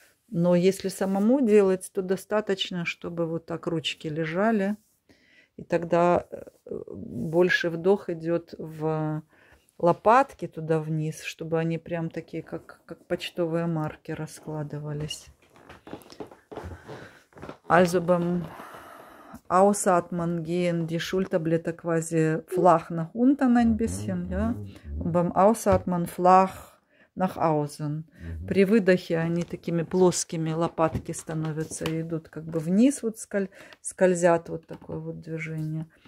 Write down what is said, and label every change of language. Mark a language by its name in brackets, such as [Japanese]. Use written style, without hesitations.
[Russian] Но если самому делать, то достаточно, чтобы вот так ручки лежали. И тогда больше вдох идет в лопатки туда вниз, чтобы они прям такие, как почтовые марки раскладывались. [German] Also beim Ausatmen gehen die Schulterblätter quasi flach nach unten ein bisschen, ja? Und beim Ausatmen flach nach außen. [Russian] При выдохе они такими плоскими, лопатки становятся и идут как бы вниз, вот скользят вот такое вот движение.